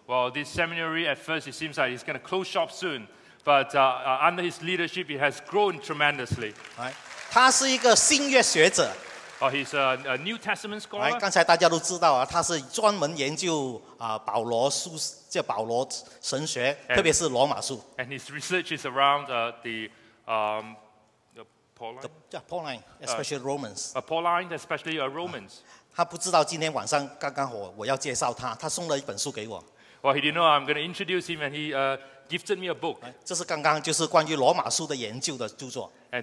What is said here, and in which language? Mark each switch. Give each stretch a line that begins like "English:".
English: Well, this seminary at first it seems like it's going to close shop soon, but under his leadership, it has grown tremendously.
Chinese: 他是一个新约学者。
English: Oh, he's a New Testament scholar.
Chinese: 刚才大家都知道啊，他是专门研究保罗书，叫保罗神学，特别是罗马书。
English: And his research is around the Pauline. Pauline, especially Romans. Pauline, especially Romans.
Chinese: 他不知道今天晚上刚刚我要介绍他，他送了一本书给我。
English: Well, he didn't know I'm going to introduce him, and he gifted me a book.
Chinese: 这是刚刚就是关于罗马书的研究的著作。
English: And